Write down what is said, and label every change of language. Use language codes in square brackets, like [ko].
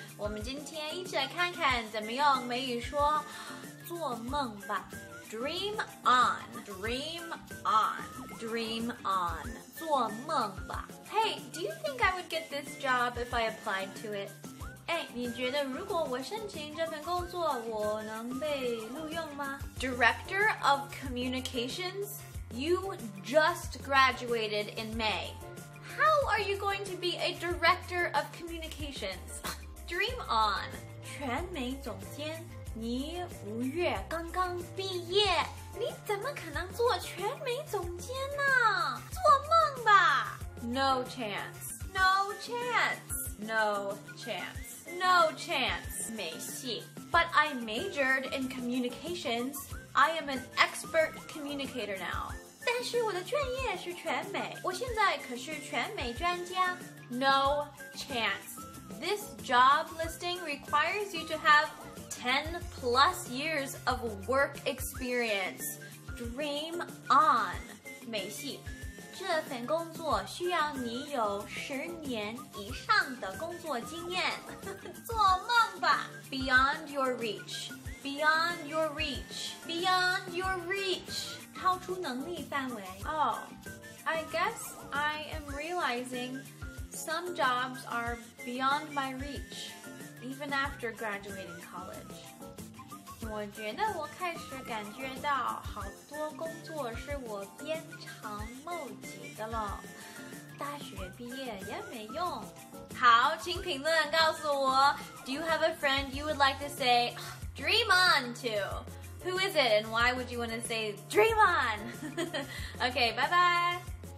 [zh] 我们今天一起来看看怎么用美语说做梦吧。 [en] Dream on, dream on, dream on, [zh] 做梦吧。 [en] Hey, do you think I would get this job if I applied to it? [zh] 你觉得如果我申请这份工作，我能被录用吗？ [en] Director of Communications, you just graduated in May. How are you going to be a Director of Communications? Dream on, [zh] 全美总监。你五月刚刚毕业，你怎么可能做全美总监呢？做梦吧！ [en] No chance. No chance. No chance. No chance. [zh] 没戏。 [en] But I majored in communications. I am an expert communicator now. [zh] 但是我的专业是全美，我现在可是全美专家。 [en] No chance. This job listing requires you to have 10+ years of work experience. Dream on. [zh] 没戏。这份工作需要你有10年以上的工作经验。做梦吧。 [en] Beyond your reach. Beyond your reach. Beyond your reach. [zh] 超出能力范围。 [en] Oh, I guess I am realizing some jobs are beyond my reach. Even after graduating college. [zh] 我觉得我开始感觉到好多工作是我鞭长莫及的了。大学毕业也没用。好，请评论告诉我 [en] ,Do you have a friend you would like to say dream on to? Who is it and why would you want to say dream on? Okay, bye bye!